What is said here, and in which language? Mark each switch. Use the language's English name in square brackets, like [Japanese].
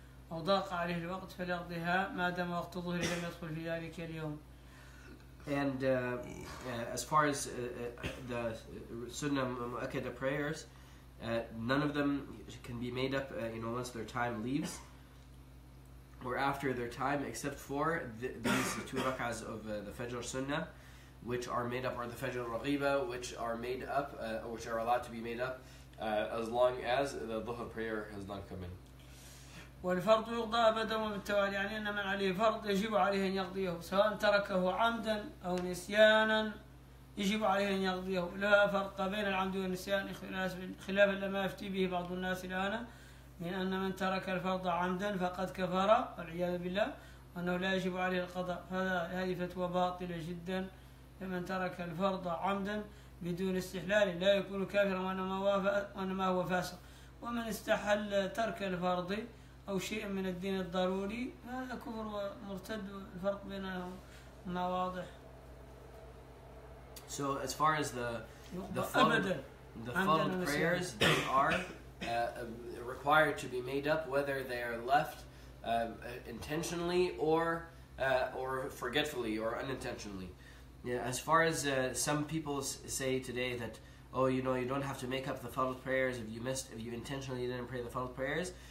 [Arabic] وضاق عليه الوقت فليقضيها ما دام وقت الظهر لم يدخل في ذلك اليوم. [English] And as far as the sunnah mu'akkada prayers, none of them can be made up, once their time leaves or after their time, except for these two rak'ahs of the fajr sunnah, which are made up, or the fajr raghiba, which are made up, which are allowed to be made up, as long as the dhuhr prayer has not come in. [Arabic] والفرض يقضى أبدا وبالتوالي يعني أن من عليه فرض يجب عليه أن يقضيه سواء تركه عمدا أو نسيانا يجب عليه أن يقضيه لا فرق بين العمد والنسيان خلافا لما يفتي به بعض الناس الآن من أن من ترك الفرض عمدا فقد كفر والعياذ بالله وأنه لا يجب عليه القضاء هذه فتوى باطلة جدا فمن ترك الفرض عمدا بدون استحلال لا يكون كافرا وإنما هو فاسق ومن استحل ترك الفرض أو شيء من الدين الضروري هذا كفر ومرتد الفرق بينهما واضح. [English] So as far as the fard prayers, they are required to be made up whether they are left intentionally or forgetfully or unintentionally. Yeah, as far as some people say today that you don't have to make up the fard prayers if you intentionally didn't pray the fard prayers.